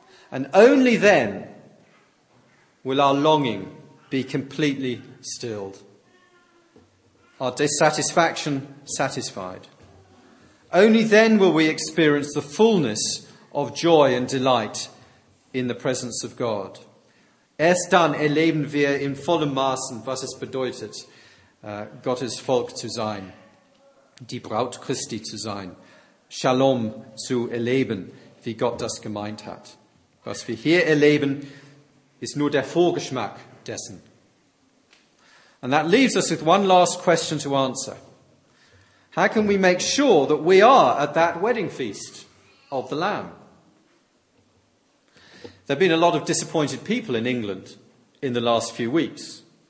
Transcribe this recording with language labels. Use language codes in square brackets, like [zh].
[en] And only then will our longing be completely stilled, our dissatisfaction satisfied. Only then will we experience the fullness of joy and delight in the presence of God. [de] Erst dann erleben wir in vollem Maßen, was es bedeutet, Gottes Volk zu sein, die Braut Christi zu sein, Shalom zu erleben, wie Gott das gemeint hat. Was wir hier erleben, ist nur der Vorgeschmack dessen. [en] And that leaves us with one last question to answer. How can we make sure that we are at that wedding feast of the Lamb? There have been a lot of disappointed people in England in the last few weeks.